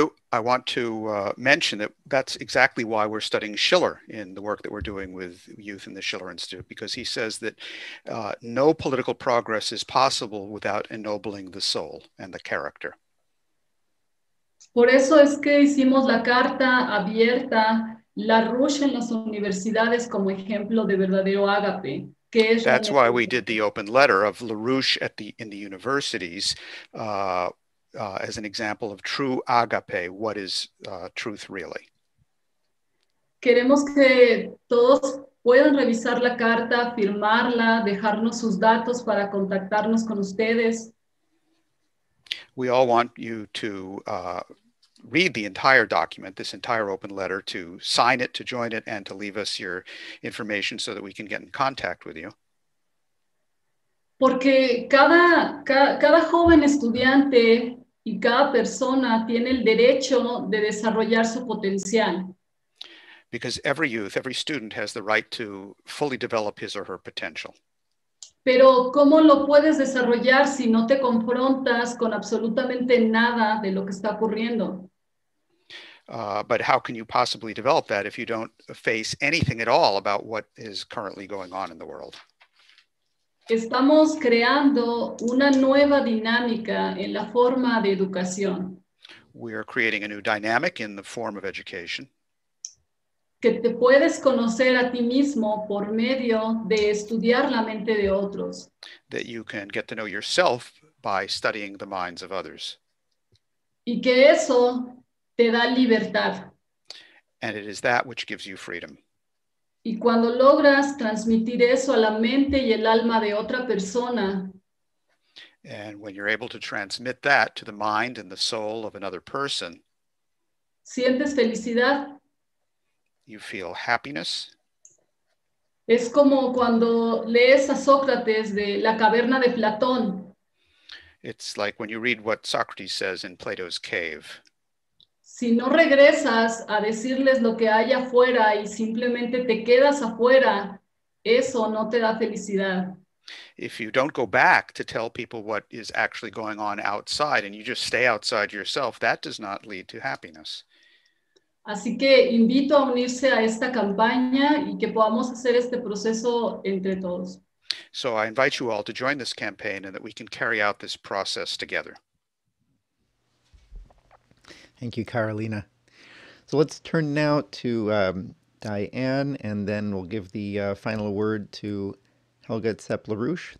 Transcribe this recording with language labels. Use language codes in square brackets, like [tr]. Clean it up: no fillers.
[en] I want to mention that that's exactly why we're studying Schiller in the work that we're doing with youth in the Schiller Institute, because he says that no political progress is possible without ennobling the soul and the character. [es] Por eso es que hicimos la carta abierta, la Rush en las universidades como ejemplo de verdadero ágape. [en] That's why we did the open letter of LaRouche at the in the universities as an example of true agape, what is truth really. [es] Queremos que todos puedan revisar la carta, firmarla, dejarnos sus datos para contactarnos con ustedes. [en] We all want you to read the entire document, this entire open letter, to sign it, to join it, and to leave us your information so that we can get in contact with you. [es] Porque cada joven estudiante y cada persona tiene el derecho de desarrollar su potencial. [en] Because every youth, every student has the right to fully develop his or her potential. [es] Pero ¿cómo lo puedes desarrollar si no te confrontas con absolutamente nada de lo que está ocurriendo? [en] But how can you possibly develop that if you don't face anything at all about what is currently going on in the world? [es] Estamos creando una nueva dinámica en la forma de educación. [en] We are creating a new dynamic in the form of education. [es] Que te puedes conocer a ti mismo por medio de estudiar la mente de otros. [en] That you can get to know yourself by studying the minds of others. [es] Y que eso te da libertad. [en] And it is that which gives you freedom. [es] Y cuando logras transmitir eso a la mente y el alma de otra persona. [en] And when you're able to transmit that to the mind and the soul of another person. [es] Sientes felicidad. [en] You feel happiness. [es] Es como cuando lees a Sócrates de la caverna de Platón. [en] It's like when you read what Socrates says in Plato's cave. [es] Si no regresas a decirles lo que hay afuera y simplemente te quedas afuera, eso no te da felicidad. [en] If you don't go back to tell people what is actually going on outside and you just stay outside yourself, that does not lead to happiness. [es] Así que invito a unirse a esta campaña y que podamos hacer este proceso entre todos. [en] So I invite you all to join this campaign and that we can carry out this process together. Thank you, Carolina. So let's turn now to Diane, and then we'll give the final word to Helga at Zepp-LaRouche.